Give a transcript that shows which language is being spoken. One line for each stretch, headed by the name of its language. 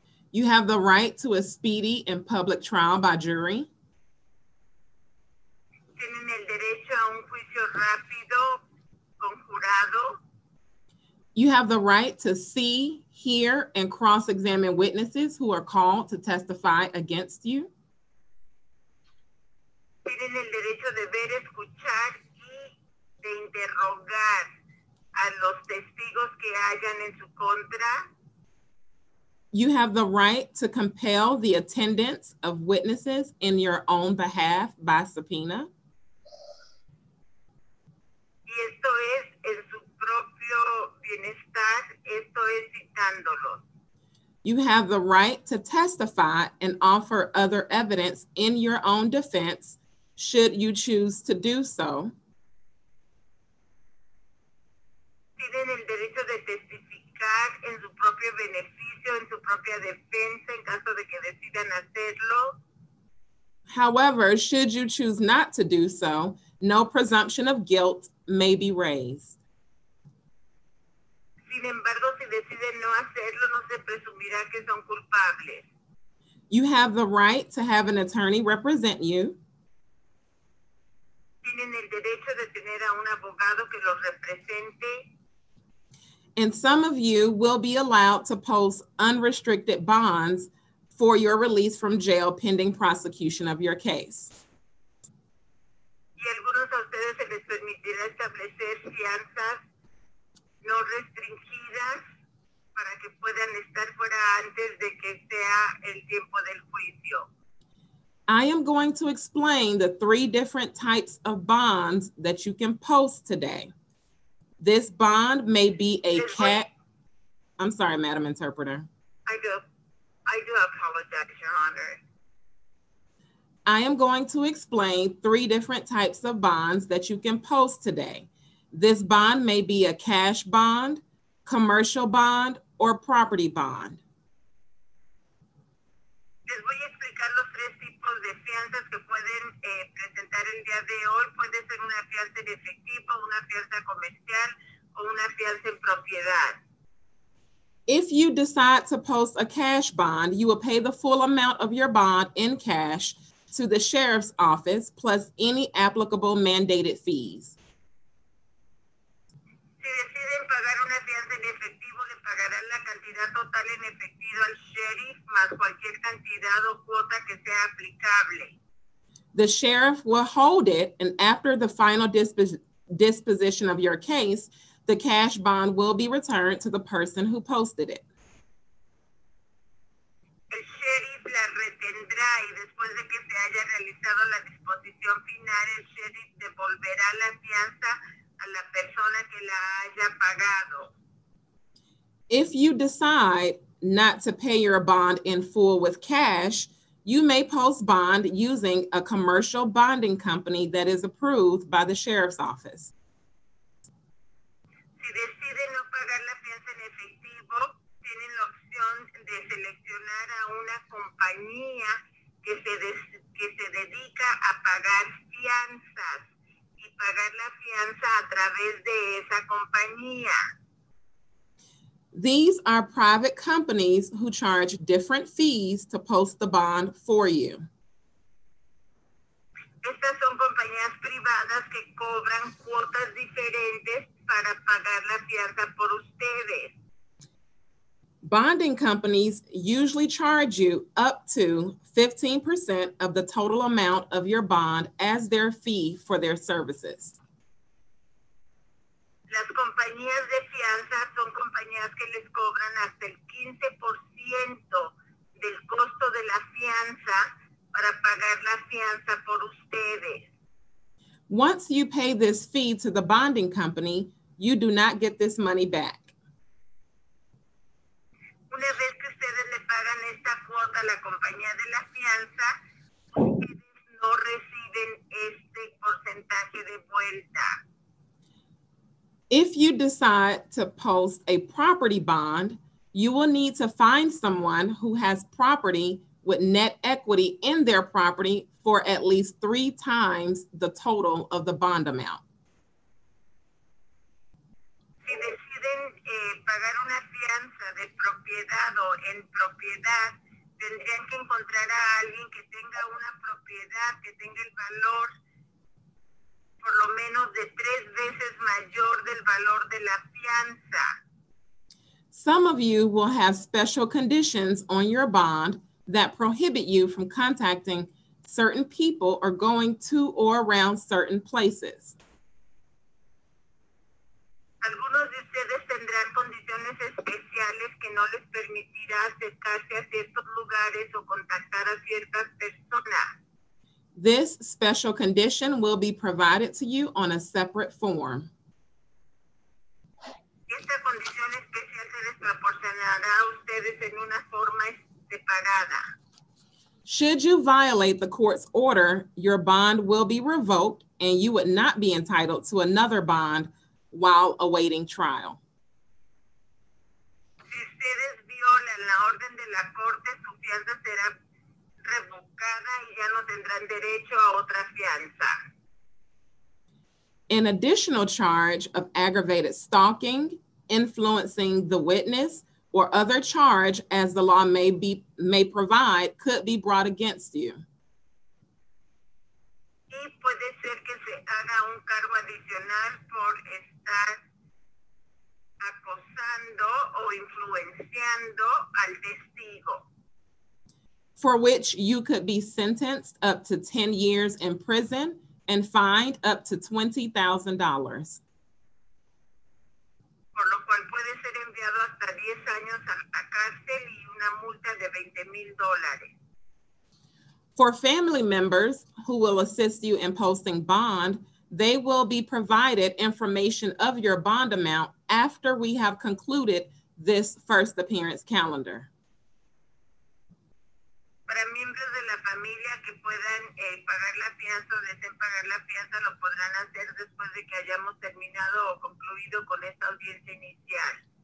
English: You have the right to a speedy and public trial by jury.
Spanish: Tienen el derecho a un juicio rápido con jurado.
English: You have the right to see, hear, and cross-examine witnesses who are called to testify against you.
Spanish: Tienen el derecho de ver, escuchar y de interrogar a los testigos que hayan en su contra.
English: You have the right to compel the attendance of witnesses in your own behalf by subpoena.
Spanish: Y esto es en su propio bienestar, esto es citándolos.
English: You have the right to testify and offer other evidence in your own defense should you choose to do so.
Spanish: Tienen el derecho de testificar en su propio beneficio, en su propia defensa, en caso de que decidan hacerlo.
English: However, should you choose not to do so, no presumption of guilt may be raised.
Spanish: Sin embargo, si deciden no hacerlo, no se presumirá que son culpables.
English: You have the right to have an attorney represent you.
Spanish: Tienen el derecho de tener a un abogado que los represente.
English: And some of you will be allowed to post unrestricted bonds for your release from jail pending prosecution of your case.
Spanish: Y algunos a ustedes se les permitirá establecer fianzas no restringidas para que puedan estar fuera antes de que sea el tiempo del juicio.
English: I am going to explain the three different types of bonds that you can post today. This bond may be a cat. I'm sorry, Madam Interpreter. I do apologize, Your Honor. I am going to explain three different types of bonds that you can post today. This bond may be a cash bond, commercial bond, or property bond.
Spanish: Les voy a explicar los tres tipos de fianzas que pueden presentar el día de hoy. Puede ser una fianza en efectivo, una fianza comercial, o una fianza en propiedad.
English: If you decide to post a cash bond, you will pay the full amount of your bond in cash to the sheriff's office plus any applicable mandated fees.
Spanish: Si deciden pagar una fianza en efectivo, le pagarán la cantidad total en efectivo al sheriff más cualquier cantidad o cuota que sea aplicable.
English: The sheriff will hold it, and after the final disposition of your case, the cash bond will be returned to the person who posted it.
Spanish: El sheriff la retendrá y después de que se haya realizado la disposición final, el sheriff devolverá la fianza a la persona que la haya pagado.
English: If you decide not to pay your bond in full with cash, you may post bond using a commercial bonding company that is approved by the sheriff's office.
Spanish: Si deciden no pagar la fianza en efectivo, tienen la opción de seleccionar a una compañía que se dedica a pagar fianzas y pagar la fianza a través de esa compañía.
English: These are private companies who charge different fees to post the bond for you.
Spanish: Estas son compañías privadas que cobran cuotas diferentes para pagar la fianza por ustedes.
English: Bonding companies usually charge you up to 15% of the total amount of your bond as their fee for their services.
Spanish: Las compañías de fianza son compañías que les cobran hasta el 15% del costo de la fianza para pagar la fianza por ustedes.
English: Once you pay this fee to the bonding company, you do not get this money back.
Spanish: Una vez que ustedes le pagan esta cuota a la compañía de la fianza, ustedes no reciben este porcentaje de vuelta.
English: If you decide to post a property bond, you will need to find someone who has property with net equity in their property for at least 3 times the total of the bond amount.
Spanish: Si deciden pagar una fianza de propiedad o en propiedad, tendrían que encontrar a alguien que tenga una propiedad que tenga el valor por lo menos de 3 veces mayor del valor de la fianza.
English: Some of you will have special conditions on your bond that prohibit you from contacting certain people or going to or around certain places.
Spanish: Algunos de ustedes tendrán condiciones especiales que no les permitirá acercarse a ciertos lugares o contactar a ciertas personas.
English: This special condition will be provided to you on a separate form.
Spanish: Esta condición especial se les proporcionará a ustedes en una forma separada.
English: Should you violate the court's order, your bond will be revoked and you would not be entitled to another bond while awaiting trial.
Spanish: Si ustedes violan la orden de la corte, su fianza será revocada y ya no tendrán derecho a otra fianza.
English: An additional charge of aggravated stalking, influencing the witness, or other charge as the law may provide could be brought against you.
Spanish: Y puede ser que se haga un cargo adicional por estar acosando o influenciando al testigo.
English: For which you could be sentenced up to 10 years in prison and fined up to $20,000.
Spanish: Por lo cual puede ser enviado hasta 10 años a cárcel y una multa de $20,000.
English: For family members who will assist you in posting bond, they will be provided information of your bond amount after we have concluded this first appearance calendar.
Spanish: Para miembros de la familia que puedan pagar la fianza o deseen pagar la fianza, lo podrán hacer después de que hayamos terminado o concluido con esta audiencia inicial.